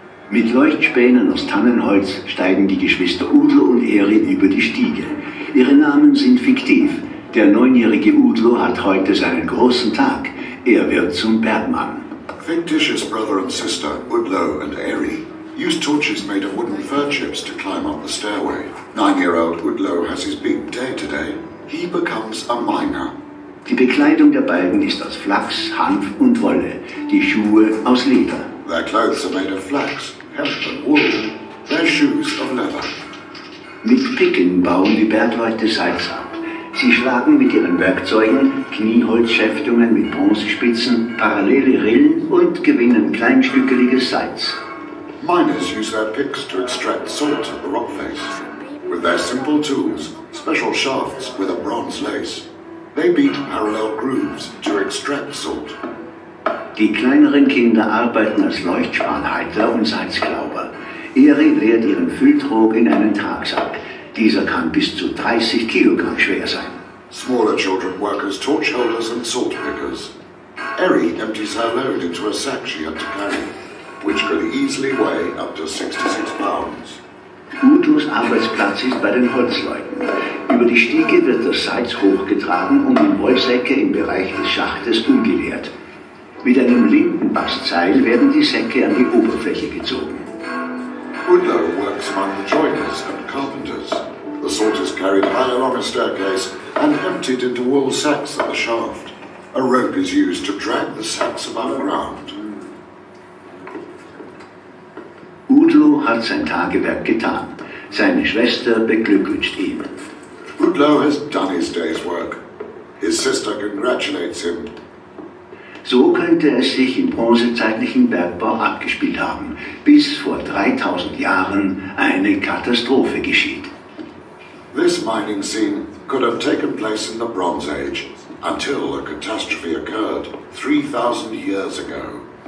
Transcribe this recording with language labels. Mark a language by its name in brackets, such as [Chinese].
[German] Mit Leuchtspänen aus Tannenholz steigen die Geschwister Udo und Erin über die Stiege. Ihre Namen sind fiktiv. Der 9-jährige Udo hat heute seinen großen Tag. Er wird zum Bergmann. [English] Fictitious brother and sister Udo and Erin use torches made of wooden fir chips to climb up the stairway. 9-year-old Udo has his big day today. He becomes a miner. [German] Die Bekleidung der beiden ist aus Flachs, Hanf und Wolle. Die Schuhe aus Leder. [English] Their clothes are made of flax, hemp and wool. Their shoes of leather. [German] Mit Picken bauen die Bergleute Salz ab. Sie schlagen mit ihren Werkzeugen Knieholzschäftungen mit Bronzespitzen, parallele Rillen und gewinnen kleinstückeliges Salz. [English] Miners use their picks to extract salt at the rock face. With their simple tools, special shafts with a bronze lace, they beat parallel grooves to extract salt. [German] Die kleineren Kinder arbeiten als Leuchtspanhalter und Salzklauber. Erin leert ihren Fülltrog in einen Tragsack. Dieser kann bis zu 30 Kilogramm schwer sein. [English] Smaller children work as torch holders and salt pickers. Erin empties her load into a sack she had to carry, which could easily weigh up to 66 pounds. [German] Udos Arbeitsplatz ist bei den Holzleuten. Über die Stiege wird das Salz hochgetragen und in Wollsäcke im Bereich des Schachtes umgeleert. Mit einem Lindenbastseil werden die Säcke an die Oberfläche gezogen. [English] Udo works among the joiners and carpenters. The salt is carried high along a staircase and emptied into wool sacks at the shaft. A rope is used to drag the sacks above ground. [German] Udo hat sein Tagewerk getan. Seine Schwester beglückwünscht ihn. [English] Udo has done his day's work. His sister congratulates him. [German] So könnte es sich im bronzezeitlichen Bergbau abgespielt haben, bis vor 3000 Jahren eine Katastrophe geschieht. [English] This mining scene could have taken place in the Bronze Age until a catastrophe occurred 3,000 years ago.